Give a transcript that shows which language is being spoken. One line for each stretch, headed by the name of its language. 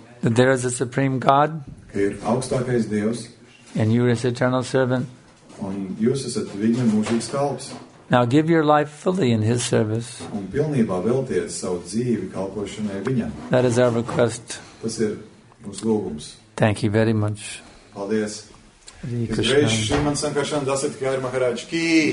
English: That there is a supreme God.
Latvian: Ka ir augstākais Dievs.
English: And you are his eternal servant.
Latvian: Un jūs esat viņa mūžīgs kalps.
English: Now give your life fully in his service.
Latvian: Un pilnībā veltiet savu dzīvi kalpošanai viņam.
English: That is our request.
Latvian: Tas ir mūsu lūgums.
English: Thank you very much.
Latvian: Paldies. Hare Krishna. Es greišu Šrīman Sankaršan Dasat Kāri Maharāj. Ki!